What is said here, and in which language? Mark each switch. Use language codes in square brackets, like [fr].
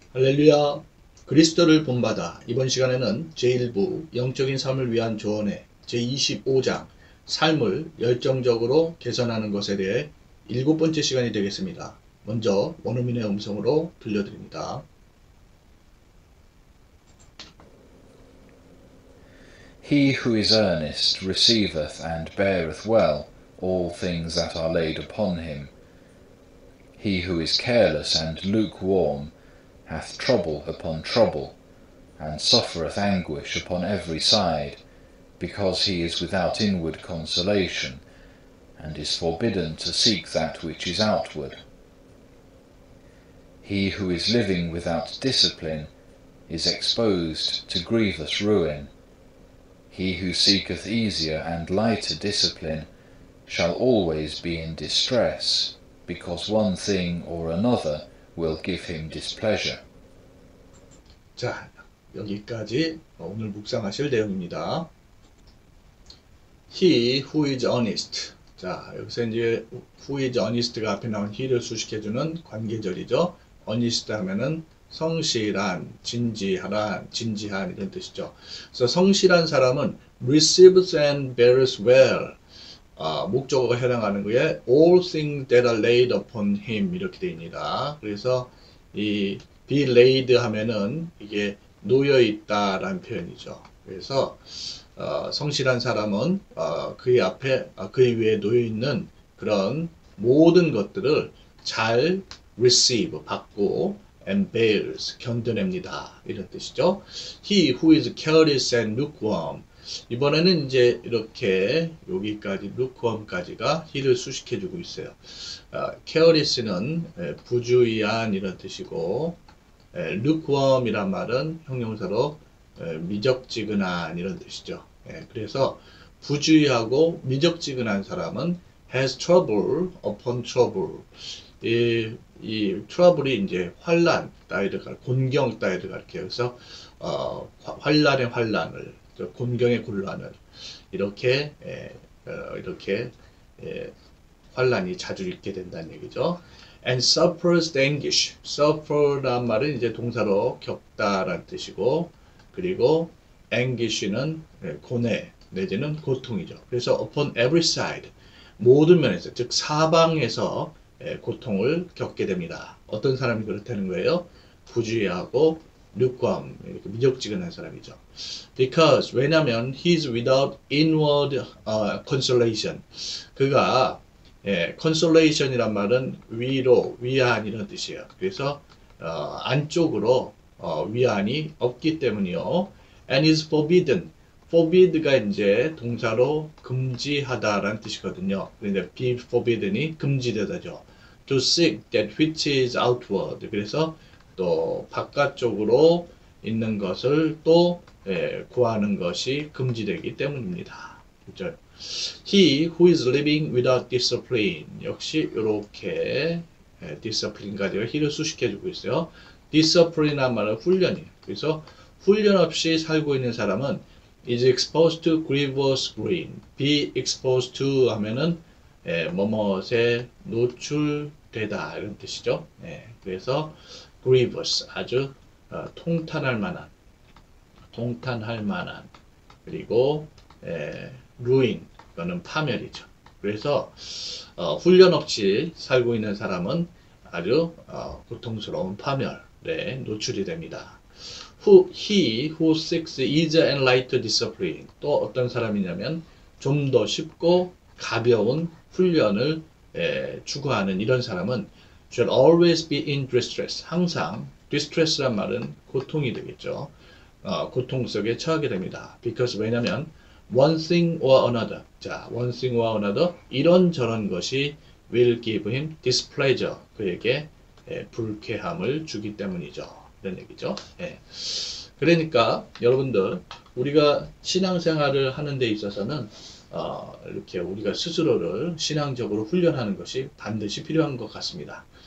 [ko] 할렐루야, 그리스도를 본받아. 이번 시간에는 제1부 영적인 삶을 위한 조언회 제25장 삶을 열정적으로 개선하는 것에 대해 일곱 번째 시간이 되겠습니다. 먼저 원어민의 음성으로 들려드립니다. [en] He who is earnest receiveth and beareth well all things that are laid upon him. He who is careless and lukewarm hath trouble upon trouble, and suffereth anguish upon every side, because he is without inward consolation, and is forbidden to seek that which is outward. He who is living without discipline is exposed to grievous ruin. He who seeketh easier and lighter discipline shall always be in distress, because one thing or another will give him displeasure. [ko] 자, 여기까지 오늘 묵상하실 내용입니다. [en] He who is honest. [ko] 자, 여기서 이제 [en] who is honest [ko] 가 앞에 나온 he를 수식해주는 관계절이죠. honest 하면은 성실한, 진지하다, 진지한 이런 뜻이죠. 그래서 성실한 사람은 [en] receives and bears well. [ko] 아, 목적어가 해당하는 거에 [en] all things that are laid upon him [ko] 이렇게 됩니다. 그래서 이 be laid 하면은 이게 놓여 있다라는 표현이죠. 그래서 성실한 사람은 그의 앞에 그의 위에 놓여 있는 그런 모든 것들을 잘 receive 받고 and bears 견뎌냅니다. 이런 뜻이죠. [en] He who is careless and lukewarm. [ko] 이번에는 이제 이렇게 여기까지 lukewarm까지가 he를 수식해 주고 있어요. careless는 부주의한 이런 뜻이고 lukewarm이란 말은 형용사로 미적지근한 이런 뜻이죠. 그래서 부주의하고 미적지근한 사람은 [en] has trouble upon trouble. [ko] 이 trouble이 이제 환란 따위를 갈, 곤경 따위를 갈게요. 그래서 환란의 환란을, 곤경의 곤란을 이렇게 이렇게 환란이 자주 있게 된다는 얘기죠. [en] And suffers anguish. [ko] suffer란 말은 이제 동사로 겪다란 뜻이고, 그리고 anguish는 고뇌, 내지는 고통이죠. 그래서 [en] upon every side, [ko] 모든 면에서, 즉 사방에서 고통을 겪게 됩니다. 어떤 사람이 그렇다는 거예요? 부주의하고 lukewarm, 이렇게 미적지근한 사람이죠. [en] Because, [ko] 왜냐면 [en] he's without inward consolation. [ko] 그가 consolation이란 말은 위로, 위안 이런 뜻이에요. 그래서 안쪽으로 위안이 없기 때문이요. [en] And is forbidden. [ko] forbid가 이제 동사로 금지하다라는 뜻이거든요. 그런데 be forbidden이 금지되다죠. [en] To seek that which is outward. [ko] 그래서 또 바깥쪽으로 있는 것을 또 구하는 것이 금지되기 때문입니다. 그렇죠? [en] He who is living without discipline. [ko] 역시 이렇게 discipline 가지고 he를 수식해 주고 있어요. discipline란 말은 훈련이에요. 그래서 훈련 없이 살고 있는 사람은 [en] is exposed to grievous ruin. be exposed to [ko] 하면은 뭐뭐에 노출되다 이런 뜻이죠. 그래서 grievous 아주 통탄할 만한, 통탄할 만한, 그리고 ruin 이거는 파멸이죠. 그래서 훈련 없이 살고 있는 사람은 아주 고통스러운 파멸에 노출이 됩니다. [en] He who seeks easier and lighter discipline. [ko] 또 어떤 사람이냐면 좀더 쉽고 가벼운 훈련을 추구하는 이런 사람은 [en] should always be in distress. [ko] 항상 distress란 말은 고통이 되겠죠. 고통 속에 처하게 됩니다. [en] Because [ko] 왜냐면 [en] one thing or another. 자, one thing or another. [ko] 이런저런 것이 will give him displeasure. 그에게 불쾌함을 주기 때문이죠. 이런 얘기죠. 그러니까 여러분들, 우리가 신앙생활을 하는 데 있어서는 이렇게 우리가 스스로를 신앙적으로 훈련하는 것이 반드시 필요한 것 같습니다.